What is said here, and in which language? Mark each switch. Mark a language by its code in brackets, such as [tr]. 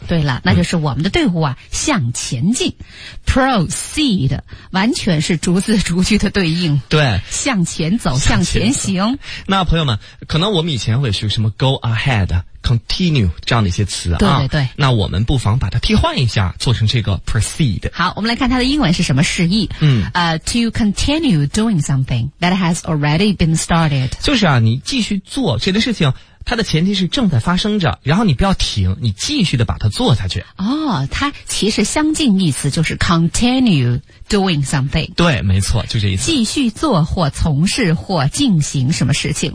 [zh] 对了，那就是我们的队伍啊、嗯、向前进， proceed 完全是逐字逐句的对应。对，向前走，向前行。那朋友们，可能我们以前会学什么 go aheadcontinue 这样的一些词啊，对对对，那我们不妨把它替换一下，做成这个 proceed。好，我们来看它的英文是什么释义。嗯， [en] to continue doing something that has already been started。 [zh] 就是啊，你继续做这件事情，它的前提是正在发生着，然后你不要停，你继续的把它做下去。哦，它其实相近意思就是 [en] continue doing something。 [zh] 对，没错，就这意思。继续做或从事或进行什么事情。